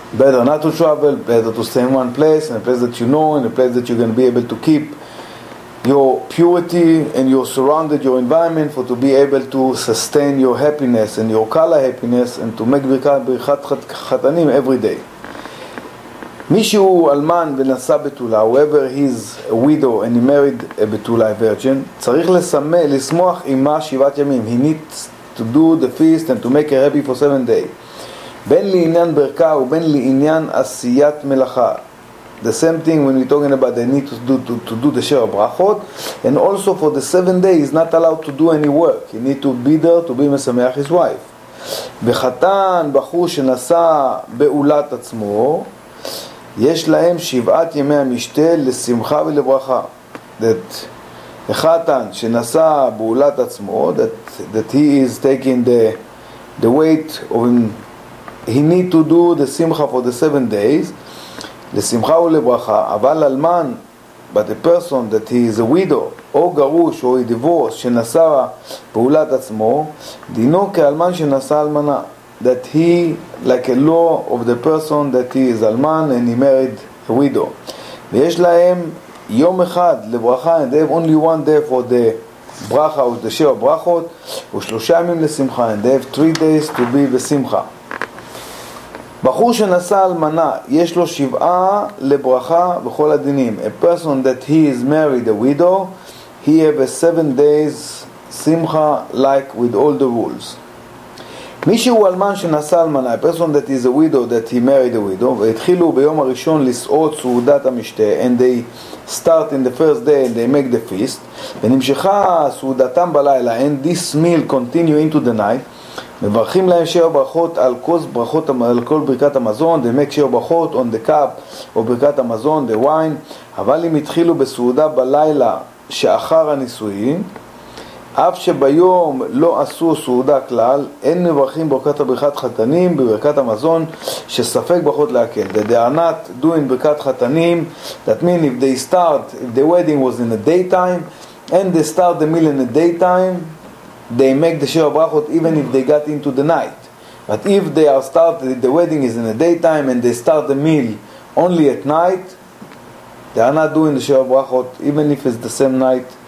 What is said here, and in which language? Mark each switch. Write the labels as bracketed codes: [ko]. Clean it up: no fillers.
[en] Better not to travel, better to stay in one place, in a place that you know, in a place that you're gonna be able to keep your purity and your surrounded, your environment, for to be able to sustain your happiness and your kala happiness and to make birkat chatanim every day. [he] מישהו אלמן ונשא בתולה, [en] whoever he's a widow and he married a betulah virgin, [he] צריך לשמוח אימה שבעת ימים. [en] He needs to do the feast and to make her happy for 7 days. [he] בין לעניין ברכה ובין לעניין עשיית מלאכה. [en] The same thing when we're talking about they need to do the share of brachot, and also for the 7 days he's not allowed to do any work. He need to be there to be mesameach his wife. [he] וחתן בחור שנשא בעולת עצמו, יש להם שבעת ימי המשתה לשמחה ולברכה. [en] That a חתן [he] שנשא בעולת עצמו, [en] that he is taking the weight of him, he need to do the simcha for the 7 days, [he] לשמחה ולברכה. אבל אלמן, [en] but a person that he is a widow, [he] או גרוש, או divorced, שנשא בעולת עצמו, דינו כאלמן שנשא אלמנה. [en] That he, like a law of the person that he is alman and he married a widow. [he] ויש להם יום אחד לברכה, [en] and they have only one day for the bracha, or the שבע ברכות, [he] ושלושה ימים לשמחה, [en] and they have 3 days to be בשמחה. [he] בחור שנשא אלמנה, יש לו שבעה לברכה בכל הדינים. [en] A person that he is married a widow, he have a 7 days שמחה, like with all the rules. [he] מישהו אלמן שנשא אלמנה, [en] a person that is a widow, that he married a widow, [he] והתחילו ביום הראשון לסעוד סעודת המשתה, [en] and they start in the first day and they make the feast, [he] ונמשכה סעודתם בלילה, [en] and this meal continue into the night, [he] מברכים להם שבע ברכות על כל ברכת המזון, [en] they make שבע ברכות on the cup, [he] או ברכת המזון, [en] the wine, [he] אבל אם התחילו בסעודה בלילה שאחר הנישואים, אף שביום לא עשו סעודה כלל, אין מברכים ברכת הברכת חתנים בברכת המזון שספק ברכות להקל. [en] That they are not doing ברכת חתנים, that means if they start, if the wedding was in the daytime and they start the meal in the daytime, they make the שבע ברכות even if they got into the night. But if they are started, the wedding is in the daytime and they start the meal only at night, they are not doing the שבע ברכות even if it's the same night.